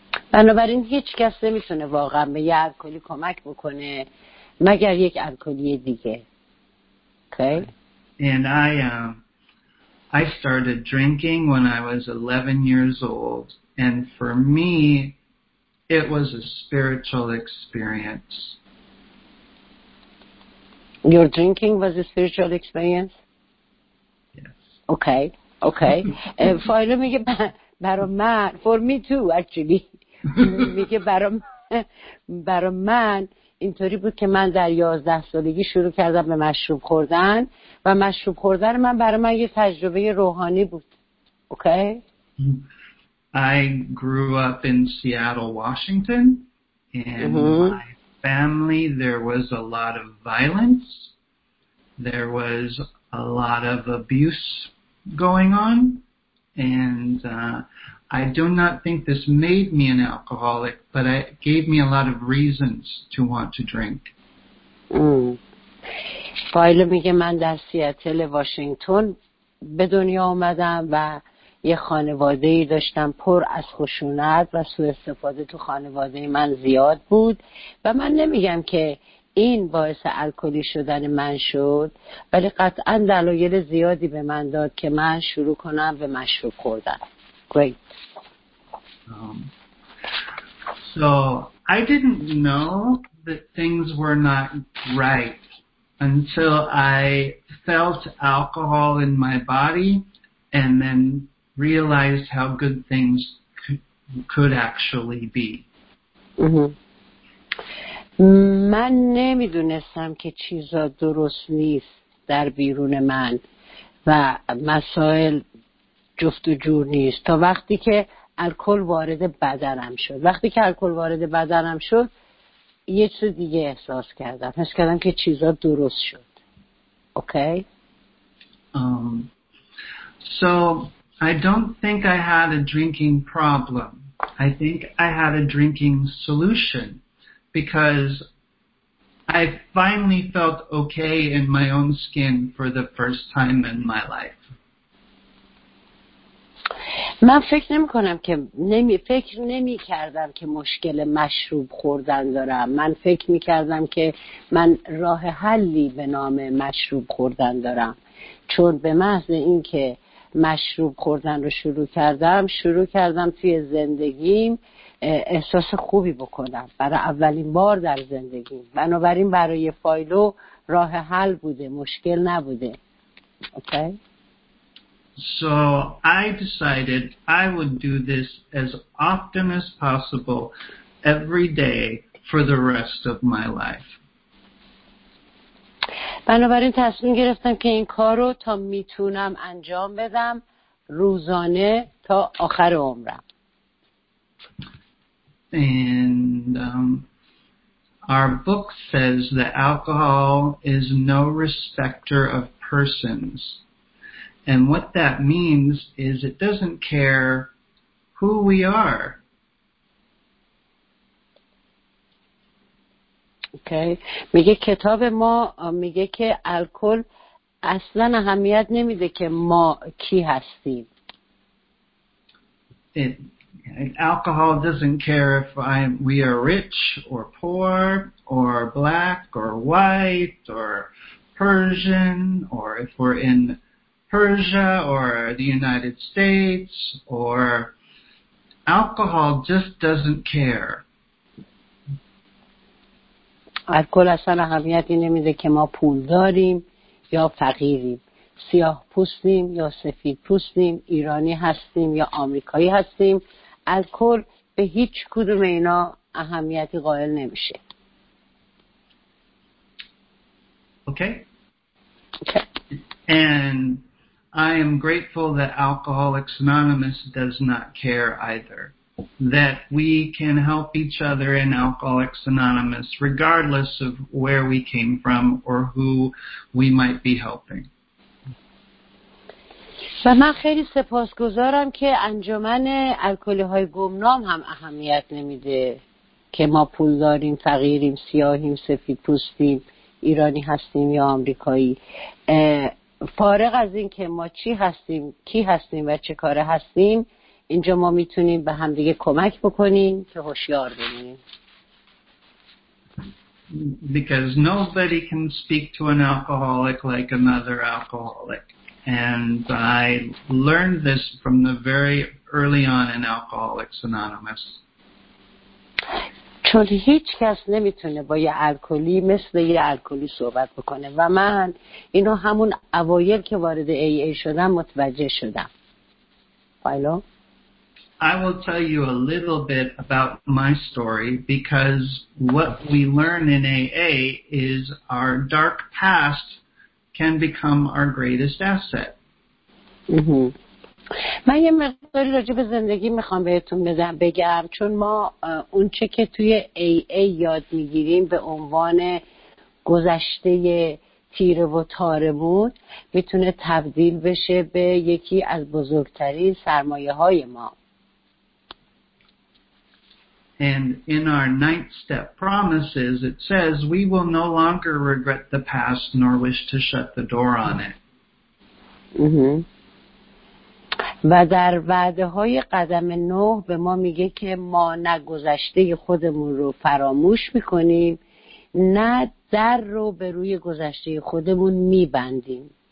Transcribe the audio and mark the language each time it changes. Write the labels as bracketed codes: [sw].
[fa] بنابراین هیچ کس نمیتونه واقعا به یه الکلی کمک بکنه مگر یک الکلی دیگه. [en] Okay. And I started drinking when I was 11 years old, and for me it was a spiritual experience. Your drinking was a spiritual experience? Yes. Okay. [fa] فایلو میگه برای من، [en] for me too actually. [fa] میگه برای من اینطوری بود که من در 11 سالگی شروع کردم به مشروب خوردن و مشروب خوردن من برای من یه تجربه روحانی بود. [en] Okay? I grew up in Seattle, Washington, and my family, there was a lot of violence. There was a lot of abuse going on, and I do not think this made me an alcoholic, but it gave me a lot of reasons to want to drink. [fa] فایلو میگه من در سیاتل واشنگتن به دنیا اومدم و یه خانواده ای داشتم پر از خشونت و سوء استفاده تو خانواده من زیاد بود و من نمیگم که این باعث الکلی شدن من شد، ولی قطعا دلایل زیادی به من داد که من شروع کنم به مشروب خوردن. [en] Great. So I didn't know that things were not right until I felt alcohol in my body and then realized how good things could actually be. [fa] من نمیدونستم که چیزا درست نیست در بیرون من و مسائل جفت و جور نیست، تا وقتی که الکل وارد بدنم شد. وقتی که الکل وارد بدنم شد یه چیز دیگه احساس کردم، حس کردم که چیزا درست شد. [en] Okay? So I don't think I had a drinking problem. I think I had a drinking solution, because I finally felt okay in my own skin for the first time in my life. [fa] من فکر نمی کنم که فکر نمی کردم که مشکل مشروب خوردن دارم. من فکر می کردم که من راه حلی به نام مشروب خوردن دارم، چون به محض این که مشروب خوردن رو شروع کردم توی زندگیم احساس خوبی بکنم برای اولین بار در زندگیم. بنابراین برای فایلو راه حل بوده، مشکل نبوده. [en] Okay? So I decided I would do this as often as possible every day for the rest of my life. [fa] بنابراین تصمیم گرفتم که این کارو تا میتونم انجام بدم روزانه تا آخر عمرم. [en] And our book says that alcohol is no respecter of persons. And what that means is it doesn't care who we are. Okay. [fa] میگه کتاب ما میگه که الکل اصلا اهمیت نمیده که ما کی هستیم. [en] Alcohol doesn't care if we are rich or poor or black or white or Persian or if we're in Persia or the United States or alcohol just doesn't care. [fa] الکل اصلا اهمیتی نمیده که ما پول داریم یا فقیریم، سیاه پوستیم یا سفید پوستیم، ایرانی هستیم یا آمریکایی هستیم. الکل به هیچ کدوم اینا اهمیتی قائل نمیشه. [en] Okay. And I am grateful that Alcoholics Anonymous does not care either. That we can help each other in Alcoholics Anonymous regardless of where we came from or who we might be helping. [fa] و من خیلی سپاسگزارم که انجمن الکلی‌های گمنام هم اهمیت نمیده که ما پول داریم، فقیریم، سیاهیم، سفید پوستیم، ایرانی هستیم یا آمریکایی. فارغ از این که ما چی هستیم، کی هستیم و چه کاره هستیم، اینجا ما میتونیم به هم دیگه کمک بکنیم که هوشیار بمونیم. [en] Because nobody can speak to an alcoholic like another alcoholic. And I learned this from the very early on in Alcoholics Anonymous. [fa] چون هیچ کس نمیتونه با یه الکلی مثل یه الکلی صحبت بکنه و من اینو همون اوایل که وارد AA شدم متوجه شدم. فایلو؟ [en] I will tell you a little bit about my story because what we learn in AA is our dark past can become our greatest asset. [fa] من یه مقداری راجع به زندگی میخوام بهتون بگم چون ما اون چه که توی AA یاد میگیریم به عنوان گذشته تیره و تاره بود میتونه تبدیل بشه به یکی از بزرگترین سرمایه های ما. [en] And in our ninth step promises, it says we will no longer regret the past nor wish to shut the door on it. [fa] و در وعده‌های قدم نه به ما میگه که ما نه گذشته خودمون رو فراموش می‌کنیم نه در رو به روی گذشته خودمون می‌بندیم.